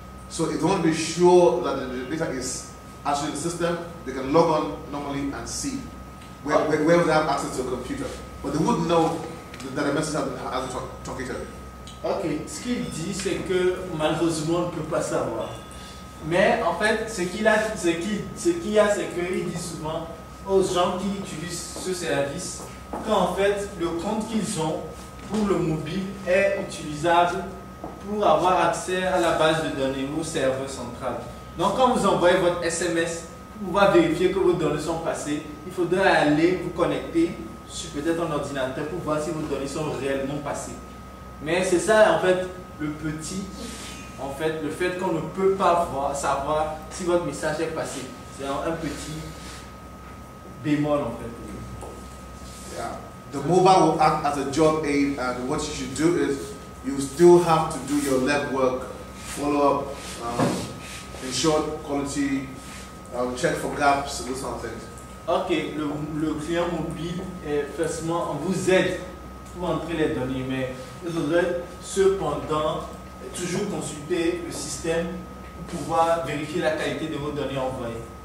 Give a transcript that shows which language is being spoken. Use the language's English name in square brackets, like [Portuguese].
[English] So if they want to be sure that the data is actually in the system, they can log on normally and see where they have access to a computer. But they would know that a message has been truncated. [French] Okay, ce qu'il dit, c'est que malheureusement, on ne peut pas savoir. Mais en fait, ce qu'il y a, c'est qu'il dit souvent aux gens qui utilisent ce service qu'en fait, le compte qu'ils ont pour le mobile est utilisable pour avoir accès à la base de données ou au serveur central. Donc quand vous envoyez votre SMS pour pouvoir vérifier que vos données sont passées, il faudra aller vous connecter sur peut-être un ordinateur pour voir si vos données sont réellement passées. Mais c'est ça en fait le petit, en fait, le fait qu'on ne peut pas voir, savoir si votre message est passé. C'est un petit bémol en fait. [English] Yeah. The mobile will act as a job aid, and what you should do is you still have to do your lab work, follow up, ensure quality, check for gaps, those sort of things. [French] Okay, le client mobile est forcément on vous aide pour entrer les données, mais il faudrait cependant toujours consulter le système pour pouvoir vérifier la qualité de vos données envoyées.